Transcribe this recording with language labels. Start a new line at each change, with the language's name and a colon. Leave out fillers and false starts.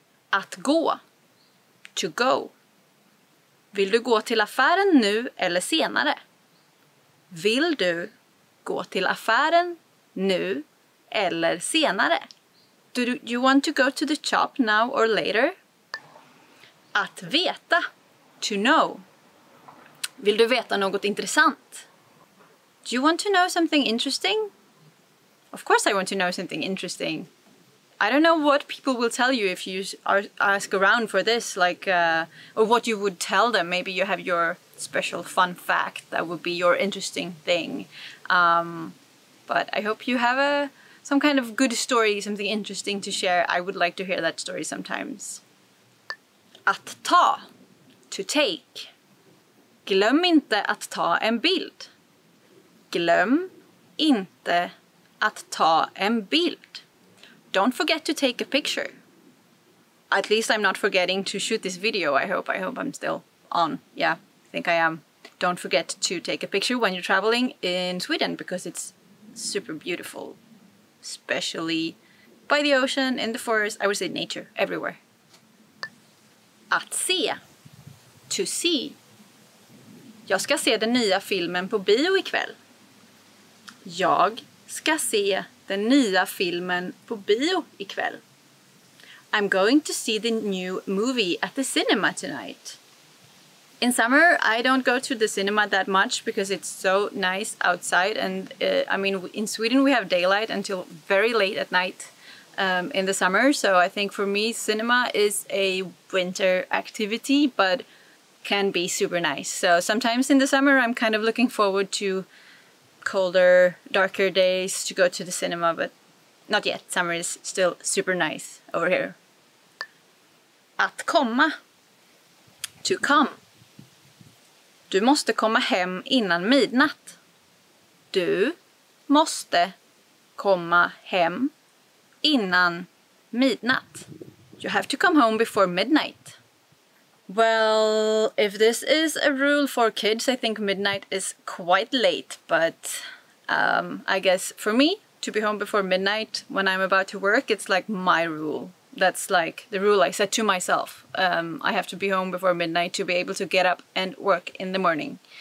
Swedish: Att gå.
English: To go.
Swedish: Vill du gå till affären nu eller senare? Vill du gå till affären nu eller senare?
English: Do you want to go to the shop now or later?
Swedish: Att veta.
English: To know.
Swedish: Vill du veta något intressant?
English: Do you want to know something interesting? Of course I want to know something interesting. I don't know what people will tell you if you ask around for this, like, or what you would tell them. Maybe you have your special fun fact that would be your interesting thing. But I hope you have some kind of good story, something interesting to share. I would like to hear that story sometimes.
Swedish: Att ta,
English: to take.
Swedish: Glöm inte att ta en bild. Glöm inte att ta en bild.
English: Don't forget to take a picture. At least I'm not forgetting to shoot this video, I hope. I hope I'm still on. Yeah, I think I am. Don't forget to take a picture when you're traveling in Sweden, because it's super beautiful. Especially by the ocean, in the forest, I would say nature, everywhere.
Swedish: Att se.
English: To see.
Swedish: Jag ska se den nya filmen på bio ikväll. Jag ska se den nya filmen på bio ikväll.
English: I'm going to see the new movie at the cinema tonight. In summer, I don't go to the cinema that much because it's so nice outside. And I mean, in Sweden, we have daylight until very late at night in the summer. So I think for me, cinema is a winter activity, but can be super nice. So sometimes in the summer, I'm kind of looking forward to colder, darker days to go to the cinema, but not yet. Summer is still super nice over here.
Swedish: Att komma.
English: To come.
Swedish: Du måste komma hem innan midnatt. Du måste komma hem innan midnatt.
English: You have to come home before midnight. Well, if this is a rule for kids, I think midnight is quite late, but I guess for me, to be home before midnight when I'm about to work, it's like my rule. That's like the rule I set to myself. I have to be home before midnight to be able to get up and work in the morning.